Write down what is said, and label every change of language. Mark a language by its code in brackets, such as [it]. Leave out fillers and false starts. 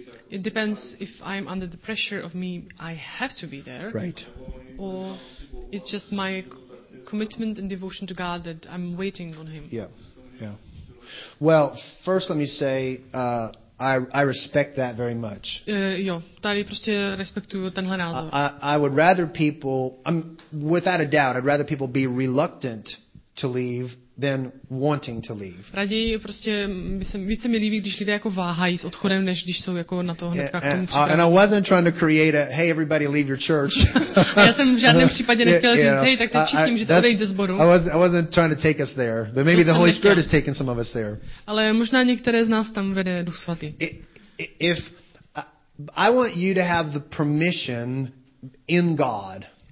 [en] It depends if I'm under the pressure of me, I have to be there. Right. Or it's just my commitment and devotion to God that I'm waiting on Him. Yeah. Well, first let me say I respect that very much. [cs] Jo, tady prostě respektuju tenhle názor. [en] I would rather people, without a doubt, I'd rather people be reluctant to leave than wanting to leave. [cs] Raději prostě více mi líbí, když lidé jako váhají s odchodem, než když jsou jako na to hnedka k tomu připraveni. [en] And I wasn't trying to create a hey everybody leave your church. [cs] Já jsem v žádném případě nechtěl říct, hey, tak teď všichni můžete odejít ze sboru. [en] I wasn't trying to take us there, but maybe the Holy Spirit has taken some of us there. [cs] Ale možná některé z nás tam vede Duch Svatý. [en] If I want you to have the permission in God.